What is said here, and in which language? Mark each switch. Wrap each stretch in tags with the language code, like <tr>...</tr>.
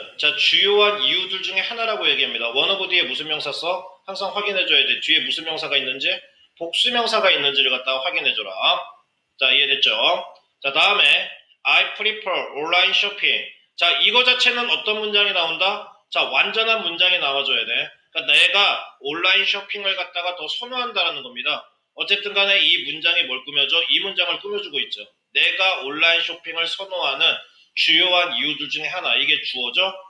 <ko>자, 주요한 이유들 중에 하나라고 얘기합니다. 원어브 뒤에 무슨 명사 써? 항상 확인해줘야 돼. 뒤에 무슨 명사가 있는지, 복수 명사가 있는지를 갖다가 확인해줘라. 자, 이해됐죠? 자, 다음에</ko> <en>I prefer online shopping.</en> <ko>자, 이거 자체는 어떤 문장이 나온다? 자, 완전한 문장이 나와줘야 돼. 그러니까 내가 온라인 쇼핑을 갖다가 더 선호한다라는 겁니다. 어쨌든 간에 이 문장이 뭘 꾸며줘? 이 문장을 꾸며주고 있죠. 내가 온라인 쇼핑을 선호하는 주요한 이유들 중에 하나. 이게 주어죠?</ko>